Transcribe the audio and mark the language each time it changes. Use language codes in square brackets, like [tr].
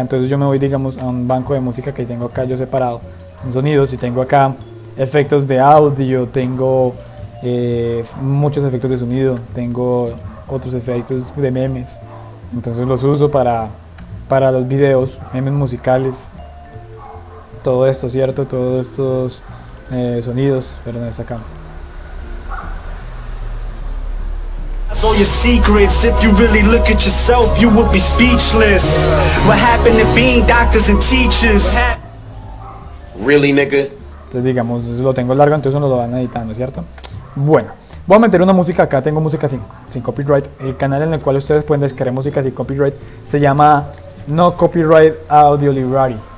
[es] Entonces yo me voy, digamos, a un banco de música que tengo acá yo separado en sonidos, y tengo acá efectos de audio, tengo muchos efectos de sonido, tengo otros efectos de memes. Entonces los uso para los videos, memes musicales, todo esto, ¿cierto? Todos estos sonidos, pero no está acá. [en] All your secrets, if you really look at yourself, you would be speechless. What happened to being doctors and teachers? Really, nigga? [es] Entonces, digamos, lo tengo largo, entonces no lo van editando, ¿cierto? Bueno, voy a meter una música acá. Tengo música sin copyright. El canal en el cual ustedes pueden descargar música sin copyright se llama No Copyright Audio Library.